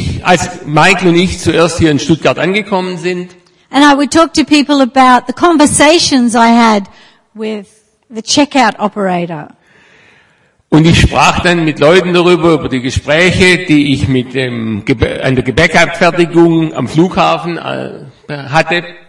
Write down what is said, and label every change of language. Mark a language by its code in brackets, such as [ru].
[de] als Michael und ich zuerst hier in Stuttgart angekommen sind, [en] and I would talk to people about the conversations I had with the checkout operator. [de] Und ich sprach dann mit Leuten darüber, über die Gespräche, die ich mit dem an der Gepäckabfertigung am Flughafen hatte.